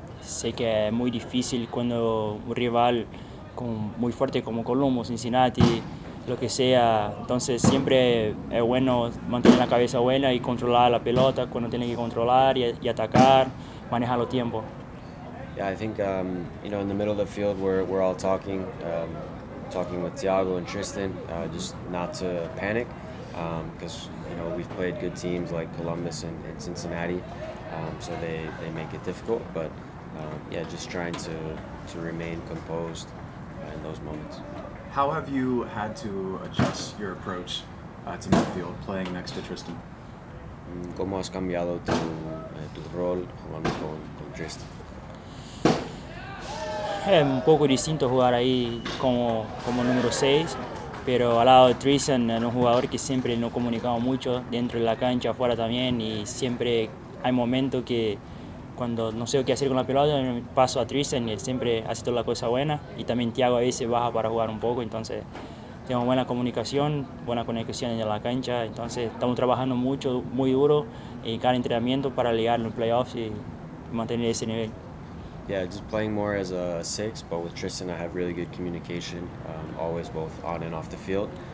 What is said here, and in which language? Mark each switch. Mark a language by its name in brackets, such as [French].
[Spanish] Sé que es muy difícil cuando un rival muy fuerte como Columbus, Cincinnati, lo que sea. Entonces siempre es bueno mantener la cabeza buena y controlar la pelota cuando tiene que controlar y atacar, manejar los tiempos. [English] Yeah, I think you know, in the middle of the field we're all talking with Thiago and Tristan, just not to panic, because you know, we've played good teams like Columbus and Cincinnati, so they make it difficult, but yeah, just trying to remain composed in those moments. How have you had to adjust your approach to midfield, playing next to Tristan? [Spanish] ¿Cómo has cambiado tu rol jugando con Tristan? Es un poco distinto jugar ahí como número 6, pero al lado de Tristan es un jugador que siempre nos comunicamos mucho dentro de la cancha, afuera también, y siempre hay momentos que cuando no sé qué hacer con la pelota, paso a Tristan y él siempre hace toda la cosa buena. Y también Thiago a veces baja para jugar un poco, entonces tengo buena comunicación, buena conexión en la cancha. Entonces estamos trabajando mucho, muy duro, en cada entrenamiento para llegar a los playoffs y mantener ese nivel. [English] Yeah, just playing more as a six, but with Tristan I have really good communication, always both on and off the field.